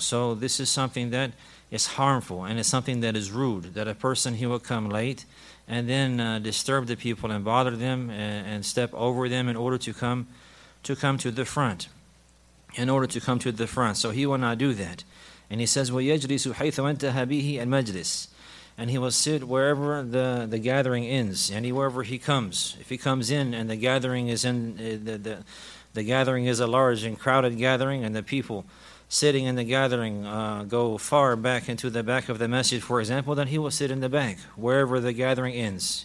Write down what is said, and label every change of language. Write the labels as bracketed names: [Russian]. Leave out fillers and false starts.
[English] So this is something that is harmful, and it's something that is rude, that a person, he will come late and then disturb the people and bother them and step over them in order to come to the front. So he will not do that. And he says, [Arabic] وَيَجْلِسُ حَيْثُ وَانْتَهَ بِهِ الْمَجْلِسِ. [English] And he will sit wherever the gathering ends, and wherever he comes. If he comes in and the gathering is in the gathering is a large and crowded gathering, and the people sitting in the gathering go far back into the back of the masjid, for example, then he will sit in the back wherever the gathering ends.